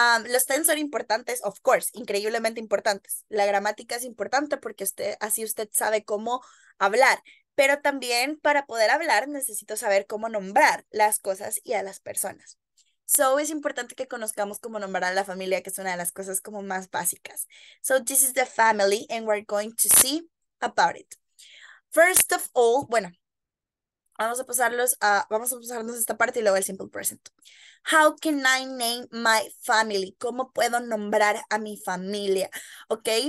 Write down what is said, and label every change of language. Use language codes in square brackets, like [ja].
[es] Los tenses son importantes, [en] of course, [es] increíblemente importantes. La gramática es importante porque usted sabe cómo hablar, pero también para poder hablar necesito saber cómo nombrar las cosas y a las personas. So, es importante que conozcamos cómo nombrar a la familia, que es una de las cosas como más básicas. [en] So, this is the family and we're going to see about it. First of all, [es] bueno, vamos a pasarnos esta parte y luego el simple present. [en] How can I name my family? [es] ¿Cómo puedo nombrar a mi familia? [en] ¿Ok?